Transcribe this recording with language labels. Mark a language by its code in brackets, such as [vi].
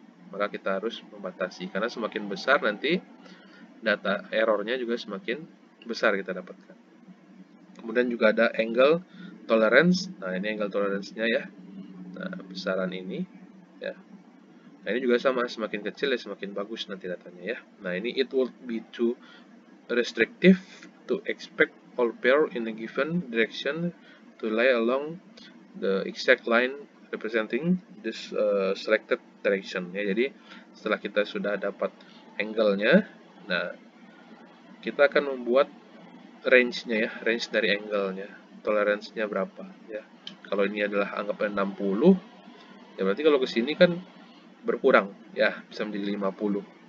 [id] Maka kita harus membatasi, karena semakin besar nanti data errornya juga semakin besar kita dapatkan. Kemudian juga ada angle tolerance. Nah, ini angle tolerance-nya ya. Nah, besaran ini ya. Nah, ini juga sama, semakin kecil ya semakin bagus nanti datanya ya. Nah, ini [en] it would be too restrictive to expect all pair in a given direction to lie along the exact line representing this selected direction ya. [id] Jadi setelah kita sudah dapat angle-nya, nah kita akan membuat range-nya ya, range dari angle-nya, tolerance-nya berapa ya. Kalau ini adalah anggap 60 ya, berarti kalau ke sini kan berkurang ya, bisa menjadi 50.